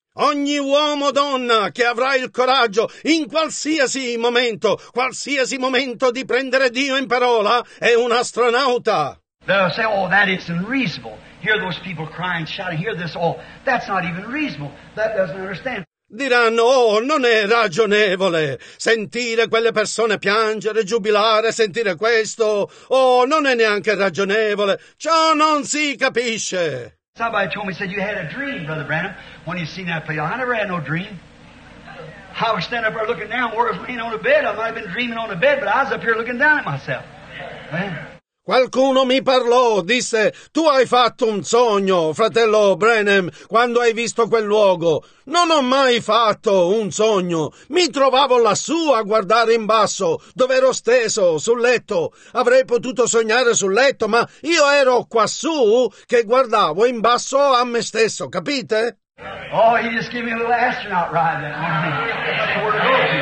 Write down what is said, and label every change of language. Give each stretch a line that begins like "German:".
Italian: Ogni uomo o donna che avrà il coraggio in qualsiasi momento di prendere Dio in parola, è un astronauta.
English: They'll say, oh, that isn't reasonable. Hear those people crying, shouting, hear this, oh, that's not even reasonable. That doesn't understand.
Italian: Diranno, oh, non è ragionevole sentire quelle persone piangere, giubilare, sentire questo. Oh, non è neanche ragionevole. Ciò non si capisce.
English: Somebody told me, said, you had a dream, Brother Branham, when you seen that play. I never had no dream. I was standing up there looking down, where I was laying on the bed. I might have been dreaming on the bed, but I was up here looking down at myself. Man.
Italian: Qualcuno mi parlò, disse, tu hai fatto un sogno, fratello Branham, quando hai visto quel luogo. Non ho mai fatto un sogno. Mi trovavo lassù a guardare in basso, dove ero steso, sul letto. Avrei potuto sognare sul letto, ma io ero quassù che guardavo in basso a me stesso, capite?
English: Oh, he just gave me a little astronaut ride that morning. That's where to go.